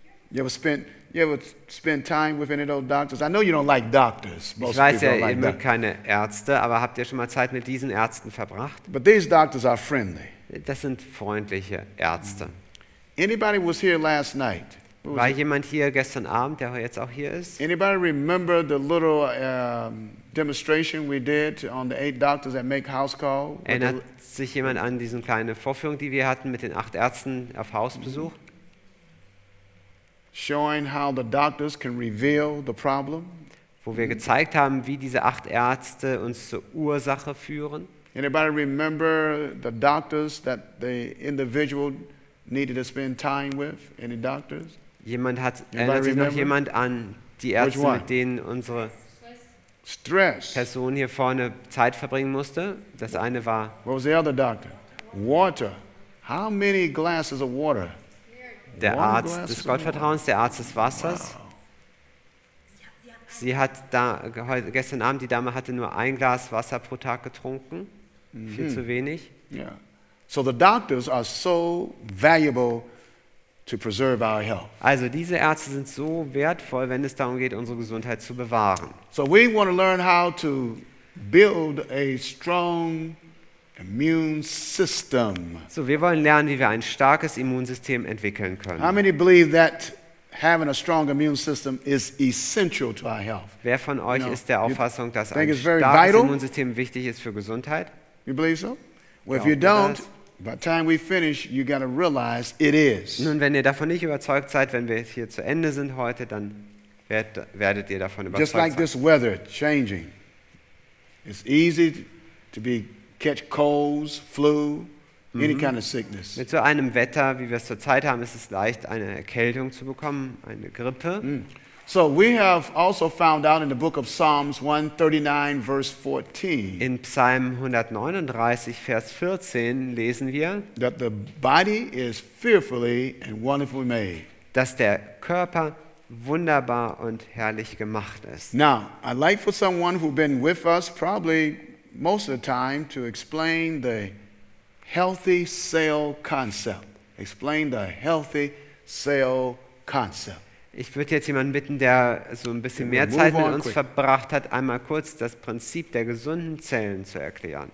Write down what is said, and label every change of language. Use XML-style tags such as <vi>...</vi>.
<en>You ever spend time with any of those doctors? I know you don't like doctors.</en> <de>Ich weiß ja, ihr mögt keine Ärzte, aber habt ihr schon mal Zeit mit diesen Ärzten verbracht?</de> <en>But these doctors are friendly.</en> <de>Das sind freundliche Ärzte.</de> <en>Anybody was here last night?</en> <de>War jemand hier gestern Abend, der jetzt auch hier ist?</de> <en>Anybody remember the little demonstration we did on the eight doctors that make house call?</en> <de>Erinnert sich jemand an diese kleine Vorführung, die wir hatten mit den 8 Ärzten auf Hausbesuch?</de> <en>Showing how the doctors can reveal the problem.</en> <de>Wo wir gezeigt haben, wie diese 8 Ärzte uns zur Ursache führen.</de> <en>Anybody remember the doctors that the individual needed to spend time with? Any doctors?</en> <de>Jemand hat, erinnert sich noch jemand an die Ärzte, mit denen unsere</de> <en>Stress.</en> <de>Person hier vorne Zeit verbringen musste? Das eine war.</de> <en>What was the other doctor? Water. How many glasses of water?</en> <de>Der Arzt des Gottvertrauens, der Arzt des Wassers. Sie hat da, gestern Abend, die Dame hatte nur ein Glas Wasser pro Tag getrunken. Viel zu wenig.</de> <en>So the doctors are so valuable to preserve our health.</en> <de>Also diese Ärzte sind so wertvoll, wenn es darum geht, unsere Gesundheit zu bewahren.</de> <en>So we want to learn how to build a strong immune system.</en> <de>So wir wollen lernen, wie wir ein starkes Immunsystem entwickeln können.</de> <en>How many believe that having a strong immune system is essential to our health?</en> <de>Wer von euch ist der Auffassung, dass ein starkes Immunsystem wichtig ist für Gesundheit?</de> <en>You believe so? Well, if you don't, by the time we finish, you got to realize it is.</en> <de>Nun, wenn ihr davon nicht überzeugt seid, wenn wir hier zu Ende sind heute, dann werdet ihr davon überzeugt.</de> <en>Just like this weather changing. It's easy to be catch colds, flu, any kind of sickness.</en> <de>Mit so einem Wetter, wie wir es zurzeit haben, ist es leicht, eine Erkältung zu bekommen, eine Grippe.</de> <en>So we have also found out in the book of Psalms 139, verse 14.</en> <de>In Psalm 139, Vers 14 lesen wir,</de> <en>that the body is fearfully and wonderfully made.</en> <de>Dass der Körper wunderbar und herrlich gemacht ist.</de> <en>Now, I'd like for someone who's been with us probably most of the time to explain the healthy cell concept. Explain the healthy cell concept.</en> <de>Ich würde jetzt jemanden bitten, der so ein bisschen mehr Zeit mit uns verbracht hat, einmal kurz das Prinzip der gesunden Zellen zu erklären.</de>